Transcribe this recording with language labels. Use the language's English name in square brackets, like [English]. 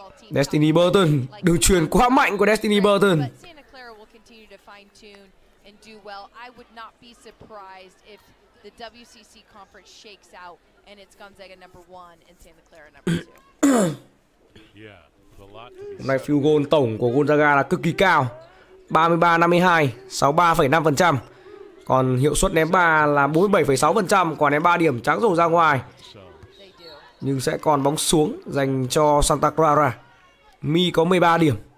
[Vietnamese] Destiny Burton. Đường truyền quá mạnh của Destiny Burton. [English] Santa Clara will continue to fine tune and do well. I would not be surprised if the WCC conference shakes out and it's Gonzaga number 1 and Santa Clara number 2. Yeah, the lot. [Vietnamese] Hôm nay field goal tổng của Gonzaga là cực kỳ cao. 33-52, 63.5%. Còn hiệu suất ném 3 là 47.6%, quả ném 3 điểm trắng rổ ra ngoài. Nhưng sẽ còn bóng xuống dành cho Santa Clara. Mi có 13 điểm.